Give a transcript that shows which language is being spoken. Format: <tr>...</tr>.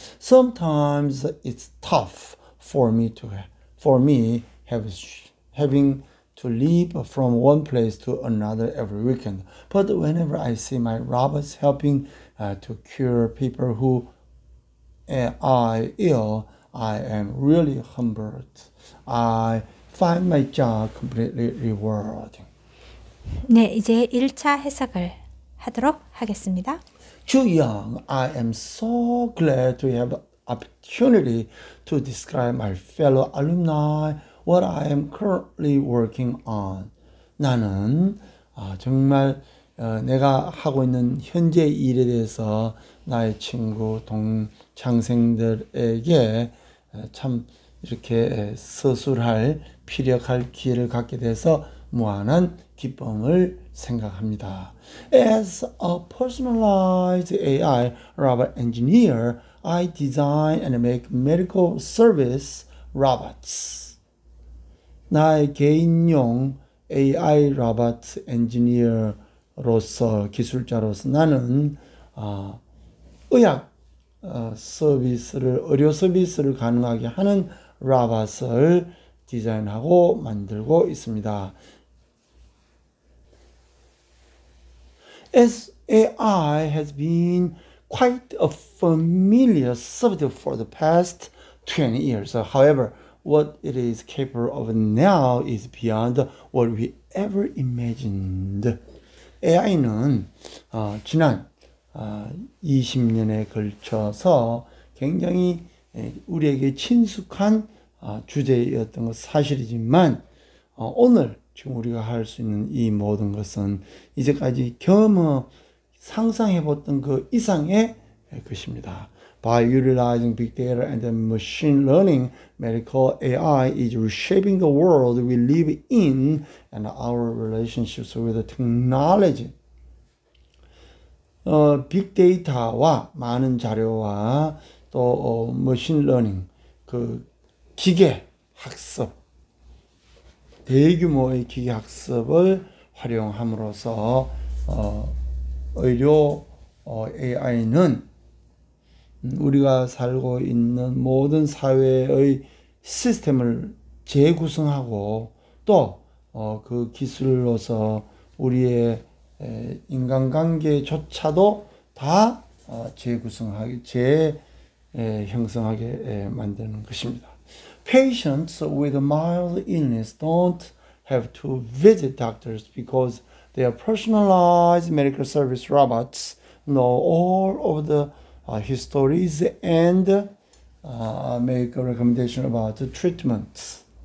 <en>Sometimes it's tough for me having to leap from one place to another every weekend. But whenever I see my robots helping to cure people who are ill, I am really humbled. I find my job completely rewarding.</en> <ko>네, 이제 1차 해석을 하도록 하겠습니다.</ko> <en>Juyoung, I am so glad to have the opportunity to describe my fellow alumni what I am currently working on.</en> <ko>나는 정말 내가 하고 있는 현재 일에 대해서 나의 친구 동창생들에게 참 이렇게 서술할 피력할 기회를 갖게 돼서 무한한 기쁨을 생각합니다.</ko> <en>As a personalized AI robot engineer, I design and make medical service robots.</en> <ko>나의 개인용 AI 로봇 엔지니어로서 기술자로서 나는 의학 서비스를 의료 서비스를 가능하게 하는 로봇을 디자인하고 만들고 있습니다.</ko> <en>As AI has been quite a familiar subject for the past 20 years. However, what it is capable of now is beyond what we ever imagined.</en> <ko>AI는 지난 20년에 걸쳐서 굉장히 우리에게 친숙한 주제였던 것 사실이지만, 오늘 지금 우리가 할수 있는 이 모든 것은 이제까지 상상해 보았던 그 이상의 것입니다.</ko> <en>By utilizing big data and machine learning, medical AI is reshaping the world we live in and our relationships with the technology.</en> <ko>빅데이터와 많은 자료와 또 머신 러닝, 그 기계 학습, 대규모의 기계 학습을 활용함으로써 의료 AI는 우리가 살고 있는 모든 사회의 시스템을 재구성하고 또그 기술로서 우리의 인간관계조차도 다 형성하게 만드는 것입니다.</ko> <en>Patients with mild illness don't have to visit doctors because their personalized medical service robots know all of the histories and make a recommendation about the treatments.</en>